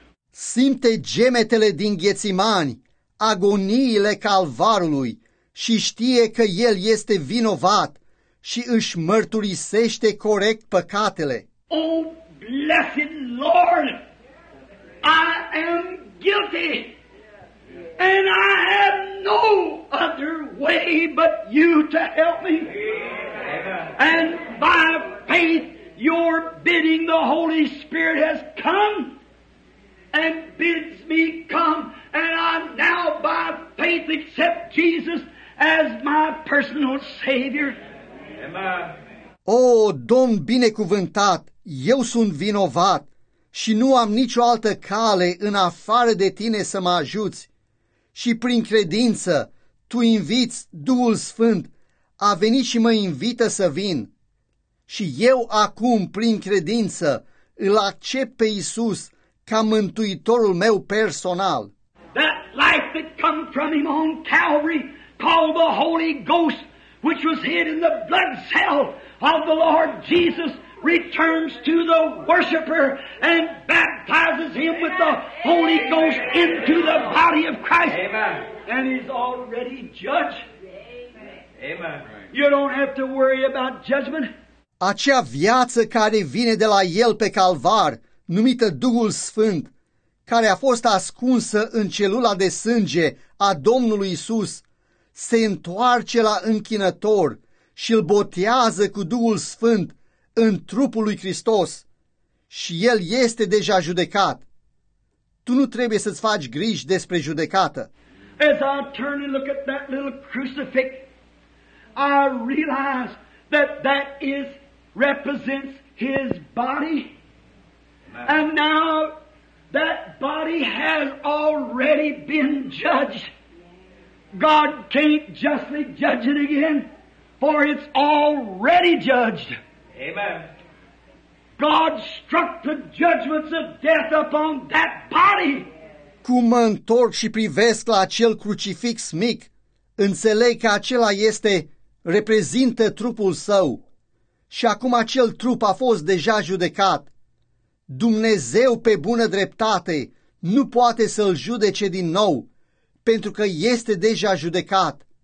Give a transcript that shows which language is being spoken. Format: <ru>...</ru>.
<ro>Simte gemetele din Ghețimani, agoniile calvarului și știe că el este vinovat și își mărturisește corect păcatele.</ro> <en>Oh, blessed Lord, I am guilty and I have no other way but you to help me. And by faith, your bidding, the Holy Spirit has come and bids me come, and I now by faith accept Jesus as my personal Savior.</en> <ro>O, Domn binecuvântat, eu sunt vinovat și nu am nicio altă cale în afară de Tine să mă ajuți. Și prin credință Tu inviți Duhul Sfânt a venit și mă invită să vin. Și eu acum, prin credință, îl accept pe Iisus ca mântuitorul meu personal.</ro> <en>That life that come from him on Calvary, called the Holy Ghost, which was hid in the blood cell of the Lord Jesus, returns to the worshipper and baptizes him with the Holy Ghost into the body of Christ. Amen. And he's already judged. Amen. You don't have to worry about judgment.</en> <ro>Acea viață care vine de la El pe calvar, numită Duhul Sfânt, care a fost ascunsă în celula de sânge a Domnului Iisus, se întoarce la închinător și îl botează cu Duhul Sfânt în trupul lui Hristos și El este deja judecat. Tu nu trebuie să-ți faci griji despre judecată.</ro> <en>As I turn and look at that little crucifix, I realize that that is represents His body. Amen. And now that body has already been judged. God can't justly judge it again, for it's already judged. Amen. God struck the judgments of death upon that body.</en> <ro>Cum mă întorc și privesc la acel crucifix mic, înțeleg că acela este, reprezintă trupul său. Și acum acel trup a fost deja judecat. Dumnezeu, pe bună dreptate, nu poate să-l judece din nou, pentru că este deja judecat.</ro>